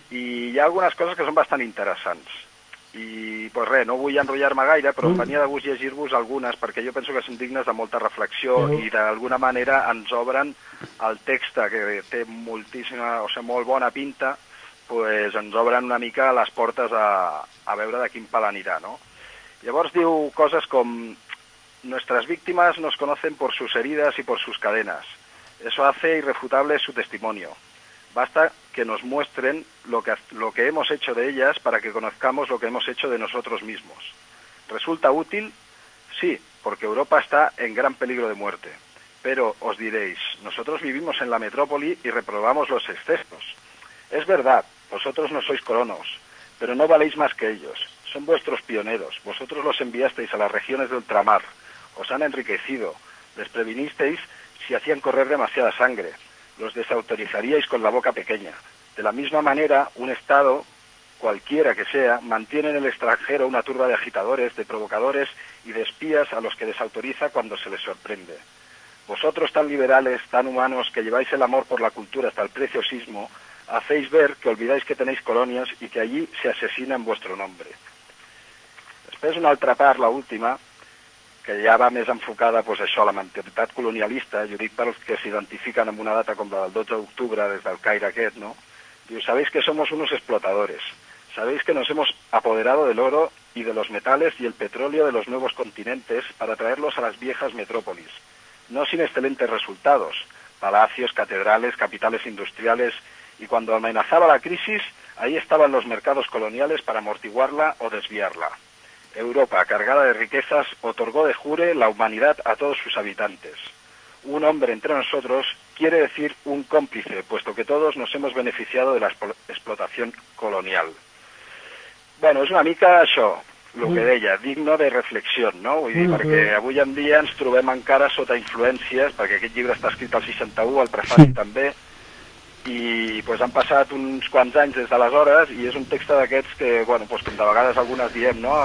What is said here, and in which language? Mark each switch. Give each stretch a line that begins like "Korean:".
Catalan: I hi ha algunes coses que són bastant interessants. I, pues res, no vull enrotllar-me gaire, però venia de gust llegir-vos algunes, perquè jo penso que són dignes de molta reflexió i d'alguna manera ens obren el text, que té moltíssima, o sigui, molt bona pinta, pues ens obren una mica les portes a veure de quin pal anirà, no? Llavors diu coses com
Spanish: «Nuestras víctimas nos conocen por sus heridas y por sus cadenas. Eso hace irrefutable su testimonio. Basta que nos muestren lo que hemos hecho de ellas para que conozcamos lo que hemos hecho de nosotros mismos. ¿Resulta útil? Sí, porque Europa está en gran peligro de muerte. Pero os diréis, nosotros vivimos en la metrópoli y reprobamos los excesos. Es verdad, vosotros no sois colonos, pero no valéis más que ellos. Son vuestros pioneros, vosotros los enviasteis a las regiones de ultramar. Os han enriquecido, les previnisteis si hacían correr demasiada sangre. Los desautorizaríais con la boca pequeña. De la misma manera, un Estado cualquiera que sea, mantiene en el extranjero una turba de agitadores, de provocadores y de espías a los que desautoriza cuando se les sorprende. Vosotros, tan liberales, tan humanos, que lleváis el amor por la cultura hasta el preciosismo, hacéis ver que olvidáis que tenéis colonias y que allí se asesina en vuestro nombre.
Catalan: Després, una altra part, la última, que ja va més enfocada, pues, això, a la mentalitat colonialista, jo dic pels que s'identifiquen amb una data com la del 12 d'octubre, des del Caire aquest, no?
Spanish: Diu, sabéis que somos unos explotadores, sabéis que nos hemos apoderado del oro y de los metales y el petróleo de los nuevos continentes para traerlos a las viejas metrópolis, no sin excelentes resultados, palacios, catedrales, capitales industriales, y cuando amenazaba la crisis, ahí estaban los mercados coloniales para amortiguarla o desviarla. Europa, cargada de riquezas, otorgó de jure la humanidad a todos sus habitantes. Un hombre entre nosotros quiere decir un cómplice, puesto que todos nos hemos beneficiado de la explotación colonial.
Catalan: Bueno, és una mica això, el que deia, digno de reflexió, no? Vull dir, perquè avui en dia ens trobem encara sota influències, perquè aquest llibre està escrit al 61, el prefaci també, i pues, han passat uns quants anys des d'aleshores, i és un text d'aquests que, bueno, pues, com de vegades algunes diem, no?